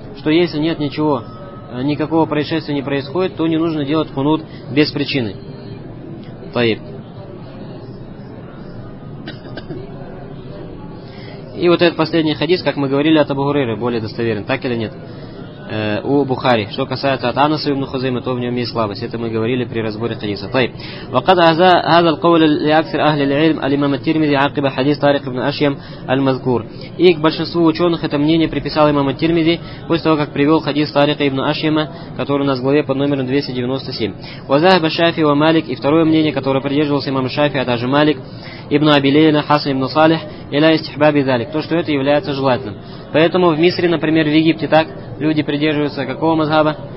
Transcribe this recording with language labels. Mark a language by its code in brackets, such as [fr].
[ru] Что если нет ничего, никакого происшествия не происходит, то не нужно делать кунут без причины. Таиб. И вот этот последний хадис, как мы говорили, от Абу Хурейры, более достоверен, так или нет? У Бухари. Что касается от Анаса ибн Хузаймы, то в нем есть слабость. Это мы говорили при разборе хадиса. Таиб. [ar] وقد هذا القول لأكثر أهل العلم الإمام الترمذي عقب حديث طارق بن أشيم المذكور. [ru] И к большинству ученых это мнение приписал имам Тирмизи после того, как привел хадис Тарика ибн Ашьяма, который у нас в главе под номером 297. [ar] وذهب الشافعي ومالك. [ru] И второе мнение, которое придерживался имам Шафи, а также Малик ибн Аби Лейля, Хасан ибн Салих, [ar] иля истихбаби залик. [ru] То, что это является желательным. Поэтому в Мисре, например, в Египте так, люди придерживаются какого мазхаба?